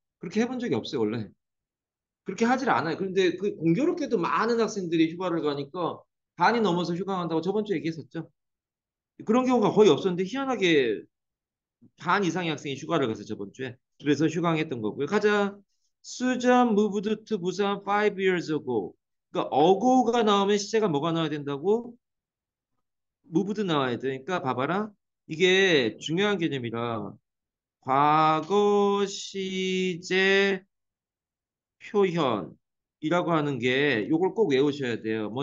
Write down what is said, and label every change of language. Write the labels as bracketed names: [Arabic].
[Korean] 그렇게 해본 적이 없어요, 원래. 그렇게 하질 않아요. 그런데 그 공교롭게도 많은 학생들이 휴가를 가니까 반이 넘어서 휴가 간다고 저번 주에 얘기했었죠. 그런 경우가 거의 없었는데 희한하게 반 이상의 학생이 휴가를 갔어요, 저번 주에. 그래서 휴강 했던 거고요. 가자. [English] Susan moved to Busan 5 years ago. [Korean] 그러니까 어고가 나오면 시제가 뭐가 나와야 된다고? moved 나와야 되니까 봐봐라. 이게 중요한 개념이라 과거 시제 표현이라고 하는 게 이걸 꼭 외우셔야 돼요.